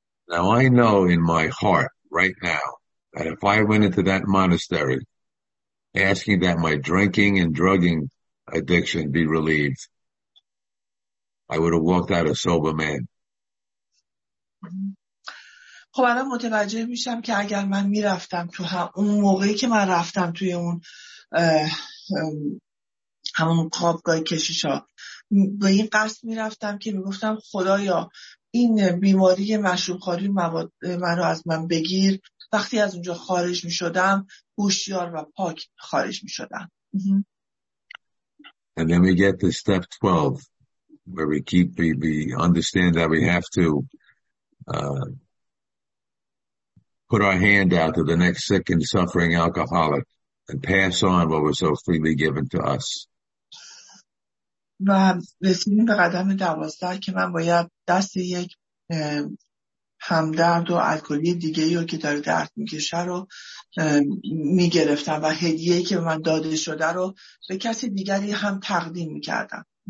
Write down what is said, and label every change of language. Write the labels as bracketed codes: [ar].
[en] Now I know in my heart right now that if I went into that monastery asking that my drinking and drugging addiction be relieved, I would have walked out a sober man. [fa] خب الان متوجه میشم که اگر من میرفتم تو اون موقعی که من رفتم توی اون همون خوابگاه کشیشا، به این قصد میرفتم که میگفتم خدایا این بیماری مشروب‌خواری منو از من بگیر، وقتی از اونجا خارج میشدم هوشیار و پاک خارج میشدم. [en] And then we get to step 12. Where we keep we understand that we have to put our hand out to the next sick and suffering alcoholic and pass on what was so freely given to us. [fa] و رسیدیم به قدم 12 که من باید دست یک همدرد و الکلی دیگه ای که داره درد میکشه رو میگرفتم و هدیه ای که من داده شده رو به کسی دیگری هم تقدیم میکردم.